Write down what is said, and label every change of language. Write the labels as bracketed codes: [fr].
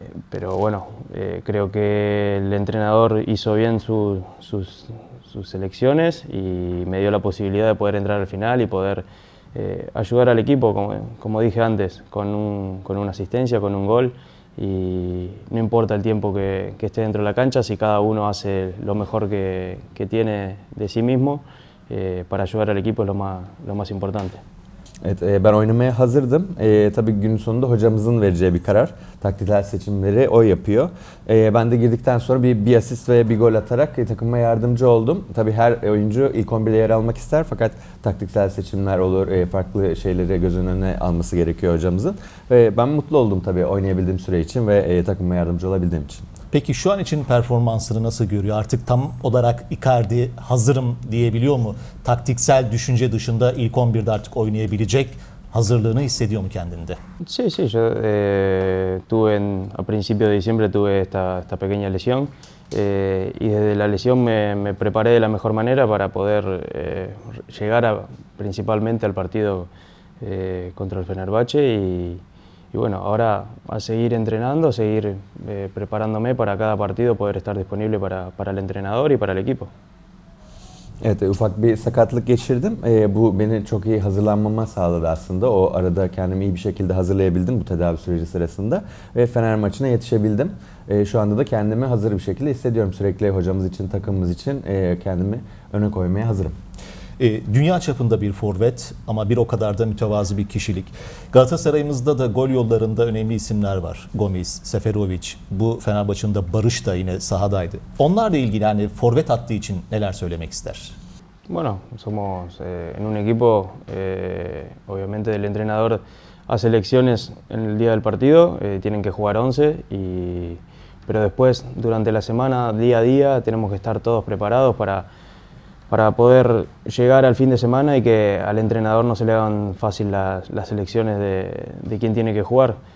[es] Pero bueno, creo que el entrenador hizo bien sus selecciones y me dio la posibilidad de poder entrar al final y poder ayudar al equipo, como dije antes, con una asistencia, con un gol. Y no importa el tiempo que esté dentro de la cancha, si cada uno hace lo mejor que tiene de sí mismo, para ayudar al equipo es lo más importante. [tr] Evet, ben oynamaya hazırdım. Tabii günün sonunda hocamızın vereceği bir karar. Taktiksel seçimleri o yapıyor. Ben de girdikten sonra bir asist ve bir gol atarak takıma yardımcı oldum. Tabii her oyuncu ilk 11'de yer almak ister fakat taktiksel seçimler olur, farklı şeyleri göz önüne alması gerekiyor hocamızın. Ben mutlu oldum tabii oynayabildiğim süre için ve takıma yardımcı olabildiğim için. Peki şu an için performansını nasıl görüyor? Artık tam olarak Icardi hazırım diyebiliyor mu? Taktiksel düşünce dışında ilk 11'de artık oynayabilecek hazırlığını hissediyor mu kendinde? [es] Sí, sí, yo a principio de diciembre tuve esta pequeña lesión y desde la lesión me preparé de la mejor manera para poder llegar a, principalmente al partido contra el Fenerbahçe y bueno, ahora a seguir entrenando, a seguir preparándome para cada partido, poder estar disponible para el entrenador y para el equipo. [tr] Evet, ufak bir sakatlık geçirdim. Bu beni çok iyi hazırlanmama sağladı aslında. O arada kendimi iyi bir şekilde hazırlayabildim bu tedavi süreci sırasında. Ve Fener maçına yetişebildim. Şu anda da kendimi hazır bir şekilde hissediyorum. Sürekli hocamız için, takımımız için kendimi öne koymaya hazırım. Dünya çapında bir forvet ama bir o kadar da mütevazı bir kişilik. Galatasaray'ımızda da gol yollarında önemli isimler var. Gomis, Seferovic, bu Fenerbahçe'nin de Barış da yine sahadaydı. Onlarla ilgili yani forvet attığı için neler söylemek ister? [es] Bueno, somos en un equipo obviamente el entrenador hace elecciones en el día del partido, tienen que jugar 11 y pero después durante la semana día a día tenemos que estar todos preparados para poder llegar al fin de semana y que al entrenador no se le hagan fácil las elecciones de quién tiene que jugar.